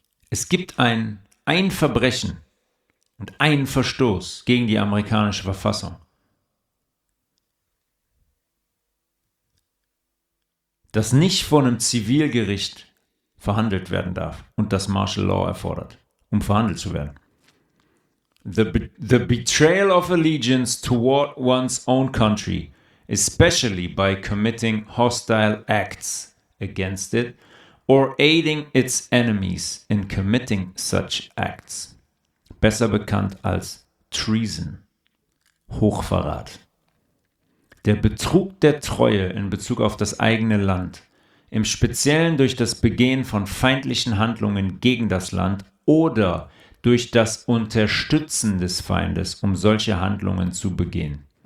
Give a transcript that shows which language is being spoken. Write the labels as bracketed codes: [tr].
[de] Es gibt ein Verbrechen und einen Verstoß gegen die amerikanische Verfassung. Das nicht vor einem Zivilgericht verhandelt werden darf und das Martial Law erfordert, um verhandelt zu werden. [en] The betrayal of allegiance toward one's own country, especially by committing hostile acts against it, or aiding its enemies in committing such acts. [de] Besser bekannt als Treason. Hochverrat. Der Betrug der Treue in Bezug auf das eigene Land, im Speziellen durch das Begehen von feindlichen Handlungen gegen das Land oder durch das Unterstützen des Feindes, um solche Handlungen zu begehen.